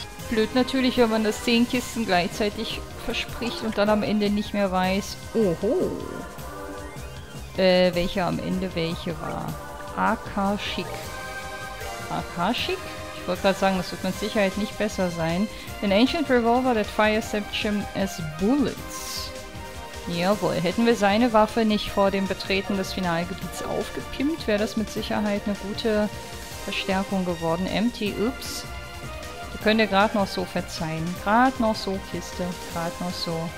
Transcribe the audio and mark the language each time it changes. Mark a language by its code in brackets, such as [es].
[de] Blöd natürlich, wenn man das 10 Kisten gleichzeitig verspricht und dann am Ende nicht mehr weiß, oho, welche am Ende welche war. Akashic. Akashic? Ich wollte gerade sagen, das wird mit Sicherheit nicht besser sein. [en] An ancient revolver that fires septum as bullets. [de] Jawohl. Hätten wir seine Waffe nicht vor dem Betreten des Finalgebiets aufgepimpt, wäre das mit Sicherheit eine gute Verstärkung geworden. Empty, ups. Du Könnt ihr gerade noch so verzeihen. Gerade noch so, Kiste. Gerade noch so.